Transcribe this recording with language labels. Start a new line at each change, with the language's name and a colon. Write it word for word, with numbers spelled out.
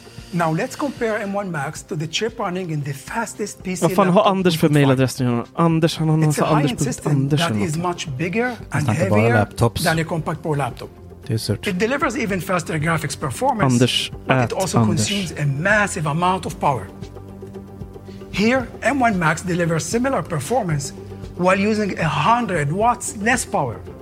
English: Now let's compare M one Max to the chip running in the fastest P C.
Swedish: Vad fan har Anders för mailadress nu? Anders, han har någon sån Anders.
English: That is much bigger and heavier than a compact core laptop.
Swedish: Det är surt.
English: It delivers even faster graphics performance.
Swedish: Anders,
English: but it also
Swedish: Anders.
English: consumes a massive amount of power. Here, M one Max delivers similar performance while using one hundred watts less power.